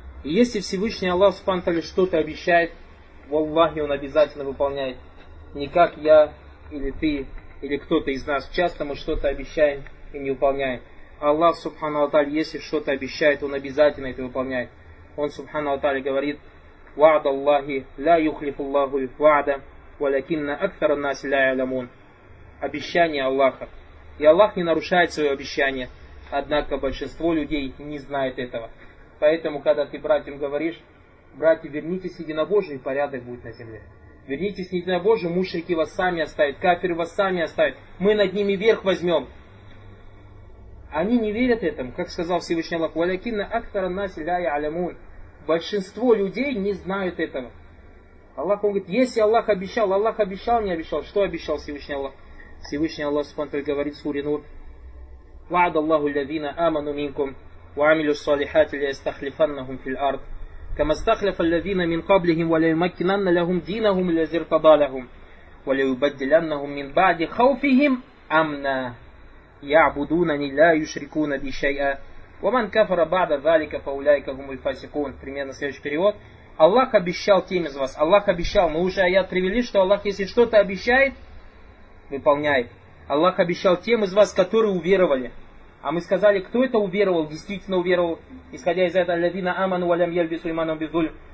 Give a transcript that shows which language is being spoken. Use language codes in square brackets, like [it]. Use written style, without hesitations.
[ru] И если Всевышний Аллах Субхану Аталя что-то обещает, валлахи, он обязательно выполняет. Не как я или ты, или кто-то из нас. Часто мы что-то обещаем и не выполняем. Аллах, субхану ва тааля, если что-то обещает, он обязательно это выполняет. Он, субхану ва тааля, говорит, [ar] وعد الله لا يخلف الله الوعد ولكن أكثر الناس لا يعلمون. [ru] Обещание Аллаха. И Аллах не нарушает свое обещание, однако большинство людей не знает этого. Поэтому, когда ты братьям говоришь: братья, вернитесь, единобожие, порядок будет на земле. Вернитесь, единобожие, мушрики вас сами оставят, кафиры вас сами оставят, мы над ними верх возьмем. Они не верят этому, как сказал Всевышний Аллах: [ar] «Валякинна актара наси ля ялямун». [ru] Большинство людей не знают этого. Аллах, он говорит, если Аллах обещал, Аллах обещал, не обещал. Что обещал Всевышний Аллах? Всевышний Аллах Субхану говорит в суре Нур: [ar] «Ваад Аллаху лявина аману минкум, ва амилю салихати ля истахлифаннахум филь ард». كما استخلف الذين من قبلهم وليمكنن لهم دينهم الذي ارتضى لهم وليبدلنهم من بعد خوفهم أمنا يعبدونني لا يشركون بي شيئا ومن كفر بعد ذلك فأولئك هم الفاسقون. [ru] Примерно следующий перевод. Аллах обещал тем из вас. Аллах обещал. Мы уже аят привели, что Аллах, если что-то обещает, выполняет. Аллах обещал тем из вас, которые уверовали. А мы сказали, кто это уверовал, действительно уверовал, исходя из этого, [ar] «Лявина аману валям ельби сулейману бизуль».